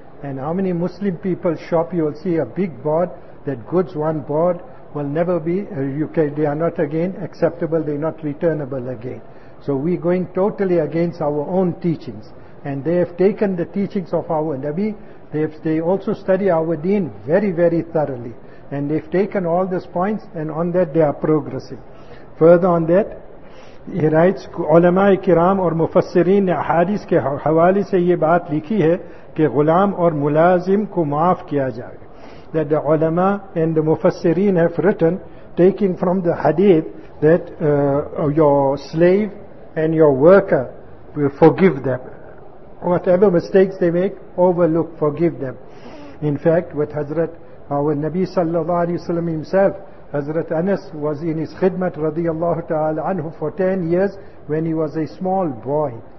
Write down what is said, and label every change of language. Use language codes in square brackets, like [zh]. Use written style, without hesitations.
[en] And how many Muslim people shop, you will see a big board that goods one bought will never be, they are not again acceptable, they are not returnable again. So we are going totally against our own teachings. And they have taken the teachings of our Nabi, they also study our deen very, very thoroughly. And they have taken all these points, and on that they are progressing. Further on that, he writes, [ur] علمائے کرام اور مفسرین نے احادیث کے حوالے سے یہ بات لکھی ہے کہ غلام اور ملازم کو معاف کیا جائے. [en] That the ulama and the mufassirin have written, taking from the hadith, that your slave and your worker, will forgive them. Whatever mistakes they make, overlook, forgive them. In fact, with Hazrat, our Nabi sallallahu alayhi wa sallam himself, Hazrat Anas was in his khidmat radiyallahu ta'ala anhu for 10 years when he was a small boy.